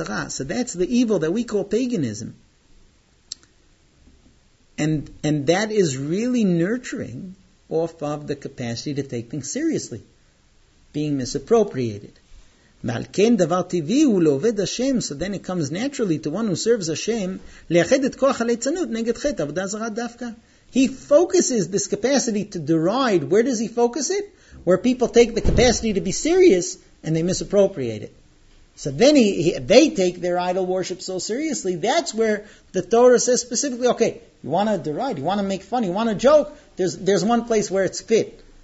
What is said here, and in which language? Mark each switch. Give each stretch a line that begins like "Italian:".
English: So that's the evil that we call paganism. And that is really nurturing off of the capacity to take things seriously. Being misappropriated.
Hebrew: ועל כן דבר טבעי הוא לעובד השם,
English: so then it comes naturally to one who serves Hashem,
Hebrew: לאחד את כוח הליצנות נגד חטא, עבודה זרה דווקא.
English: He focuses this capacity to deride, where does he focus it? Where people take the capacity to be serious and they misappropriate it. So then they take their idol worship so seriously, that's where the Torah says specifically, okay, you want to deride, you want to make fun, you want to joke, there's one place where it's fit.